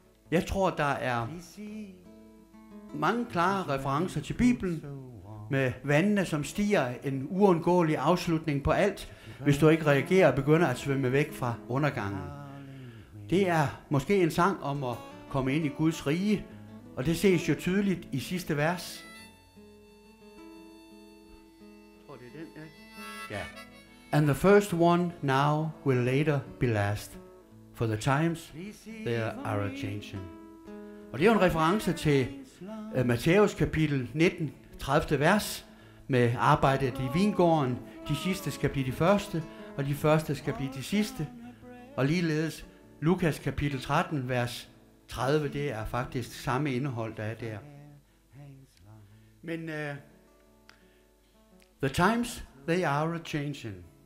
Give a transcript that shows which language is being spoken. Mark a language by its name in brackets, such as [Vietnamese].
[Danish] Jeg tror, der er mange klare referencer til Bibelen, med vandene, som stiger, en uundgåelig afslutning på alt, hvis du ikke reagerer og begynder at svømme væk fra undergangen. Det er måske en sang om at komme ind i Guds rige, og det ses jo tydeligt i sidste vers. Tror det er den, ikke? Ja. [English] And the first one now will later be last. For the times, they are a changing. [Danish] Og det er en reference til Matthæus kapitel 19, 30. vers. Med arbejdet i vingården. De sidste skal blive de første, og de første skal blive de sidste. Og ligeledes Lukas kapitel 13, vers 30, det er faktisk samme indhold, der er der. Men [English] the times, they are a-changin'.